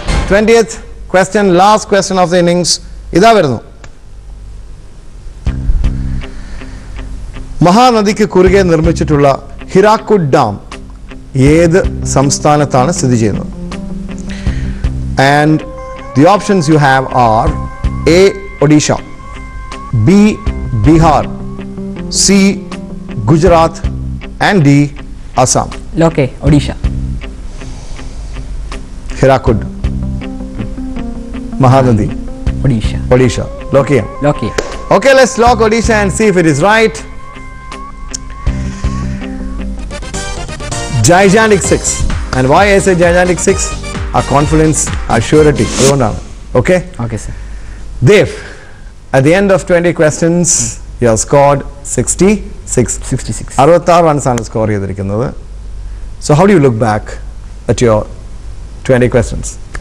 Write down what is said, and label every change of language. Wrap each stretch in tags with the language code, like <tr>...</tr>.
<en>Twentieth question, last question of the innings.</en> <ml>Idha varunu. Mahanadikku kurige nirmichittulla Hirakud Dam ഏത് സംസ്ഥാനത്താണ് സ്ഥിതി ചെയ്യുന്നത്?</ml> <en>And the options you have are A Odisha, B Bihar, C Gujarat and D Assam.</en> <ml>ലോക്കെ Odisha. Hirakud, Mahanadi, Odisha. Odisha. ലോക്കിയ. ലോക്കിയ.</ml> <en>Okay, let's lock Odisha and see if it is right. Gigantic six. And why I say gigantic six? Our confidence, our surety. Okay? Okay, sir. Dev, at the end of 20 questions, you have scored 66. 66. 66 runs on the score. So how do you look back at your 20 questions?</en>